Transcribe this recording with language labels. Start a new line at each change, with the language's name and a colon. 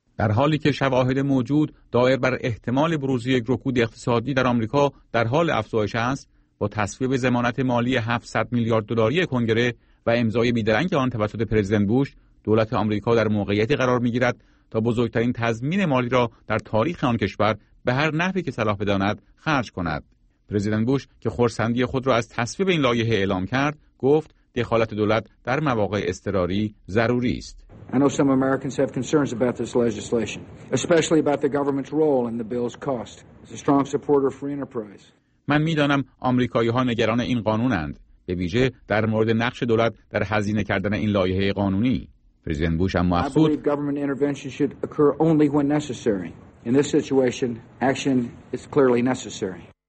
Persian: در حالی که شواهد موجود دایر بر احتمال بروز یک رکود اقتصادی در آمریکا در حال افزایش است، با تصویب ضمانت مالی 700 میلیارد دلاری کنگره و امضای بیدرنگ آن توسط پرزیدنت بوش، دولت آمریکا در موقعیتی قرار می‌گیرد تا بزرگترین تضمین مالی را در تاریخ آن کشور به هر نحوی که صلاح بداند خرج کند. پرزیدنت بوش که خرسندی خود را از تصویب این لایحه اعلام کرد، گفت دخالت دولت در مواقع اضطراری ضروری است.
English: I know some Americans have concerns about this legislation, especially about the government's role and the bill's cost. As a strong supporter of free enterprise.
Persian: من می‌دانم آمریکایی‌ها نگران این قانونند، به ویژه در مورد نقش دولت در هزینه کردن این لایحه قانونی. پرزیدنت بوش اما افزود
English: government intervention should occur only when necessary. In this situation, action is clearly necessary.